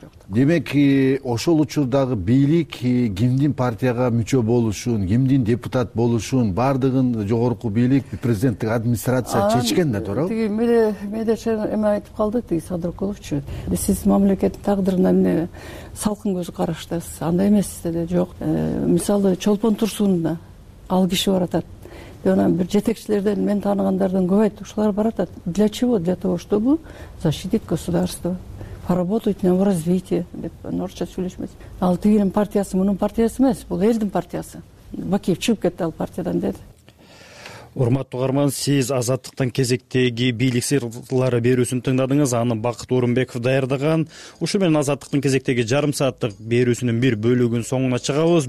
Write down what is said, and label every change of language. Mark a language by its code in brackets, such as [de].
[ky] Демек ошол учурдагы бийлик кимдин партияга мүчө болушун, кимдин депутат болушун баардыгын жогорку бийлик, президенттик администрация чечкен да, туурабы? Тиги мен шен эме айтып калды, тиги Садырковчу. Сиз мамлекеттин тагдырына эмне салкын көз караштасыз? Андай эмес деди. Жок. Мисалы Чолпон Турсунова ал киши барып атат. Анан бир жетекчилерден мен таанагандардан көп айтты, ушулар барып атат. [ru] Для чего? Для того, чтобы защитить государство. Поработать на его развитие. [ky] Деп анан орусча сүйлөшмөс. Ал тигинин партиясы мунун партиясы эмес, бул элдин партиясы. Бакиев чыгып кетти ал партиядан деди. Урматтуу угарман, сиз азаттыктын кезектеги бийлик сырлары берүүсүн тыңдадыңыз. Аны Бакыт Орунбеков даярдаган. Ушул менен азаттыктын кезектеги жарым сааттык берүүсүнүн бир бөлүгүн соңуна чыгабыз.